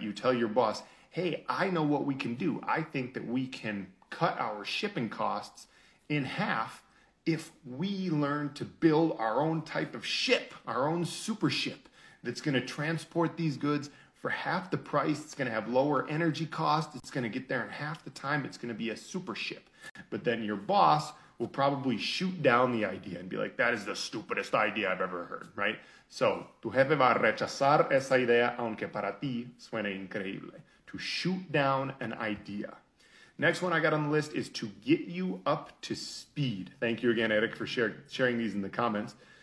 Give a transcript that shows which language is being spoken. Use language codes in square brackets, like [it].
[en] You tell your boss, hey, I know what we can do. I think that we can cut our shipping costs in half if we learn to build our own type of ship, our own super ship that's going to transport these goods for half the price. It's going to have lower energy costs. It's going to get there in half the time. It's going to be a super ship. But then your boss will probably shoot down the idea and be like, that is the stupidest idea I've ever heard, right? [es] So, tu jefe va a rechazar esa idea, aunque para ti suene increíble. [en] To shoot down an idea. Next one I got on the list is to get you up to speed. Thank you again, Eric, for sharing these in the comments.